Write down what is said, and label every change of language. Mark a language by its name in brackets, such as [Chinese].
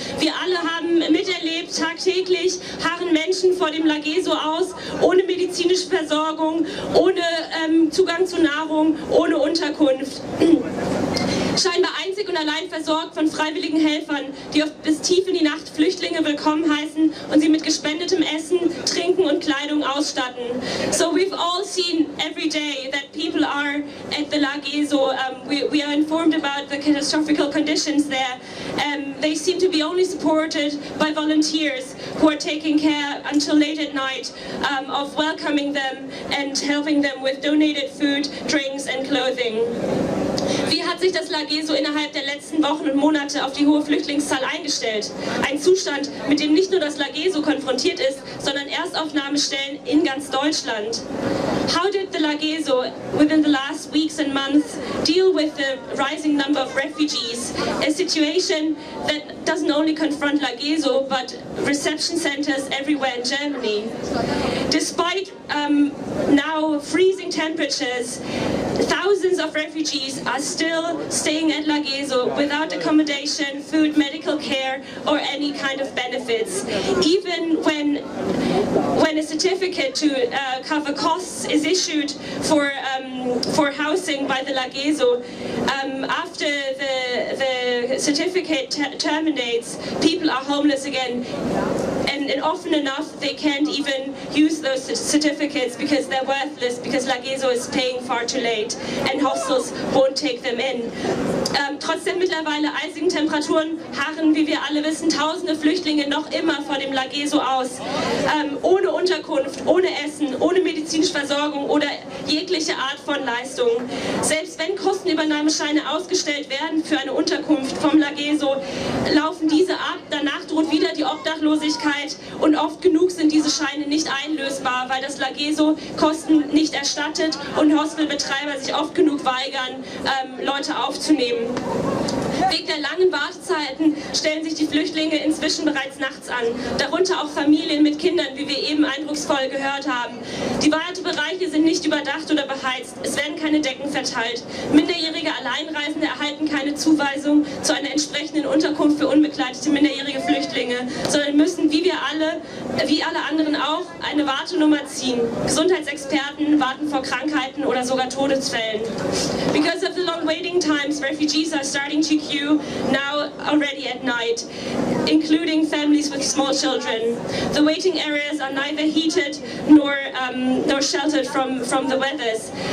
[German] Wir alle haben miterlebt, tagtäglich harren Menschen vor dem Lageso aus, ohne medizinische Versorgung, ohne Zugang zu Nahrung, ohne Unterkunft. Scheinbar einzig und allein versorgt von freiwilligen Helfern, die oft bis tief in die Nacht Flüchtlinge willkommen heißen und sie mit gespendetem Essen, Trinken und Kleidung ausstatten. [English] So we've all seen every day that people are at the Lageso. We are informed about the catastrophic conditions there. They seem to be only supported by volunteers who are taking care until late at night of welcoming them and helping them with donated food, drinks and clothing. [German] Wie hat sich das Lageso innerhalb der letzten Wochen und Monate auf die hohe Flüchtlingszahl eingestellt? Ein Zustand, mit dem nicht nur das Lageso konfrontiert ist, sondern Erstaufnahmestellen in ganz Deutschland. [English] How did the Lageso, within the last weeks and months, deal with the rising number of refugees? A situation that doesn't only confront Lageso, but reception centers everywhere in Germany. Despite now freezing temperatures, thousands of refugees are still staying at Lageso without accommodation, food, medical care, or any kind of benefits. Even when a certificate to cover costs is issued for housing by the Lageso, after the certificate terminates, people are homeless again. And often enough, they can't even use those certificates because they're worthless, because Lageso is paying far too late and hostels won't take them in. [German] Trotzdem mittlerweile eisigen Temperaturen harren, wie wir alle wissen, tausende Flüchtlinge noch immer vor dem Lageso aus. Ohne Unterkunft, ohne Essen, ohne medizinische Versorgung oder jegliche Art von Leistung. Selbst wenn Kostenübernahmescheine ausgestellt werden für eine Unterkunft vom Lageso, laufen diese ab, danach droht wieder die Obdachlosigkeit und oft genug sind diese Scheine nicht einlösbar, weil das Lageso Kosten nicht erstattet und Hostelbetreiber sich oft genug weigern, Leute aufzunehmen. Wegen der langen Wartezeiten stellen sich die Flüchtlinge inzwischen bereits nachts an, darunter auch Familien mit Kindern, wie wir eben eindrucksvoll gehört haben. Die Wartebereiche sind nicht überdacht oder beheizt, es werden keine Decken verteilt. Minderjährige Alleinreisende erhalten keine Zuweisung zu einer entsprechenden Unterkunft für unbegleitete minderjährige Flüchtlinge, sondern müssen, wie wir alle, wie alle anderen auch, eine Wartenummer ziehen. Gesundheitsexperten warten vor Krankheiten oder sogar Todesfällen. [English] Because of the long waiting times, refugees are starting to queue now already at night, including families with small children. The waiting areas are neither heated nor nor sheltered from the weathers.